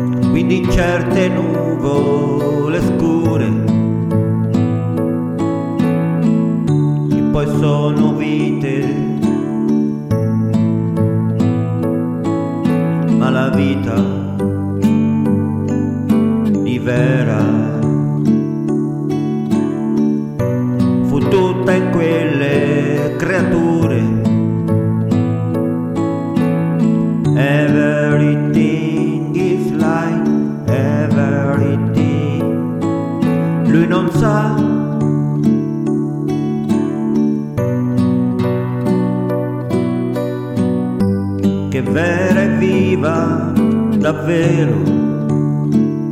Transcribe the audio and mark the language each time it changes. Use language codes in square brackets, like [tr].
[it] Quindi certe nuvole scure che poi sono vite, ma la vita di Vera fu tutta in quelle creature. [en] Everything is light, everything. [it] Lui non sa che Vera è viva davvero.